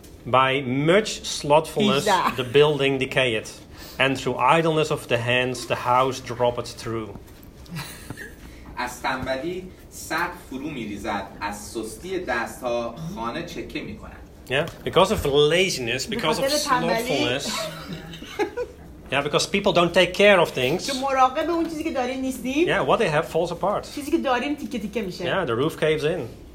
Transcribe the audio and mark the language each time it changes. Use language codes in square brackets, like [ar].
[en] By much slothfulness the building decayeth, and through idleness of the hands the house droppeth through. [fa] از تنبلی سقف فرو می‌ریزد از سستی دست‌ها خانه چکه می‌کند. [en] Yeah, because of laziness, because of slothfulness. Yeah, because people don't take care of things. Yeah, what they have falls apart. Yeah, the roof caves in.